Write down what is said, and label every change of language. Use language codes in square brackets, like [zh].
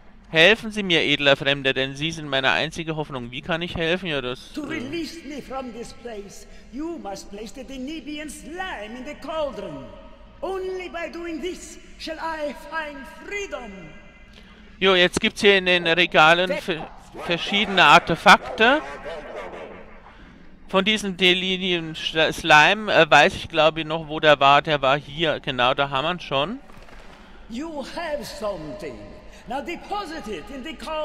[de] Helfen Sie mir, edler Fremder, denn Sie sind meine einzige Hoffnung. Wie kann ich helfen? Ja, das... [en] To release me from this place, you must place the Denebian slime in the cauldron. Only by doing this shall I find freedom. [de] Jo, jetzt gibt's hier in den Regalen verschiedene Artefakte. Von diesem Delirium Slime weiß ich, glaube ich, noch, wo der war. Der war hier, genau, da haben wir ihn schon. [en] You have something. Now deposit it in the cauldron.